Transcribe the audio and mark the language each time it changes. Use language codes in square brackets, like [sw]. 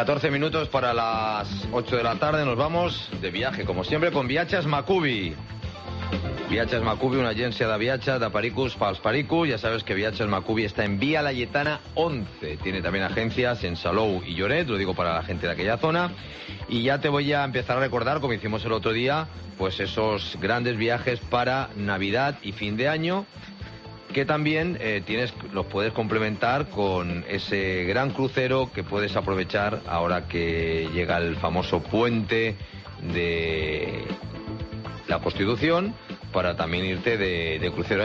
[es] Minutos para las 8 de la tarde, nos vamos de viaje como siempre con Viatges Macubi. [ca] Viatges Macubi, una agència de viatge de pericos pels pericos. Ja sabes que Viatges Macubi està en Via Layetana 11. [es] Tiene también agencias en Salou y Lloret, lo digo para la gente de aquella zona. Y ya te voy a empezar a recordar, como hicimos el otro día, pues esos grandes viajes para Navidad y fin de año, que también tienes, los puedes complementar con ese gran crucero que puedes aprovechar ahora que llega el famoso puente de la Constitución, para también irte de crucero.